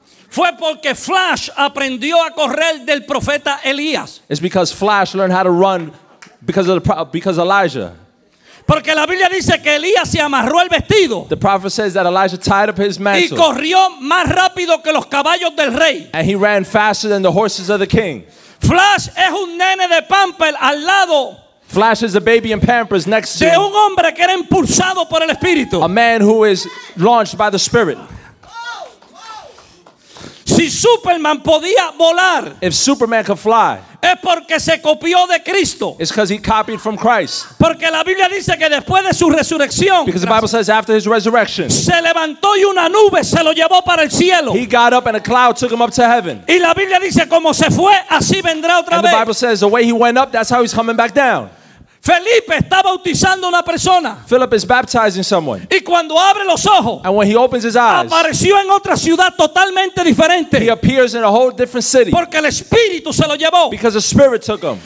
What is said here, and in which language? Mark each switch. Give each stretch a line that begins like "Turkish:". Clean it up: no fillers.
Spanish: Fue porque Flash aprendió a correr del profeta Elías.
English: It's because Flash learned how to run because of Elijah.
Spanish: Porque la Biblia dice que Elías se amarró el vestido.
English: The prophet says that Elijah tied up his mantle.
Spanish: Y corrió más rápido que los caballos del rey.
English: And he ran faster than the horses of the king.
Spanish: Flash es un nene de Pampel al lado.
English: Flash is a baby in Pampers next to
Spanish: de un hombre que era impulsado por el Espíritu.
English: A man who is launched by the Spirit.
Spanish: Si Superman podía volar,
English: if Superman could fly,
Spanish: es porque se copió de Cristo.
English: It's because he copied from Christ.
Spanish: Porque la Biblia dice que después de su resurrección,
English: because the Bible says after his resurrection,
Spanish: se levantó y una nube se lo llevó para el cielo.
English: He got up and a cloud took him up to heaven.
Spanish: Y la Biblia dice como se fue, así vendrá otra
English: vez. And the Bible says the way he went up, that's how he's coming back down.
Spanish: Felipe está bautizando una persona.
English: Philip is baptizing someone.
Spanish: Y cuando abre los ojos,
English: and when he opens his eyes,
Spanish: apareció en otra ciudad totalmente diferente.
English: He appears in a whole different city.
Spanish: Porque el Espíritu se lo llevó.
English: Because the Spirit took him.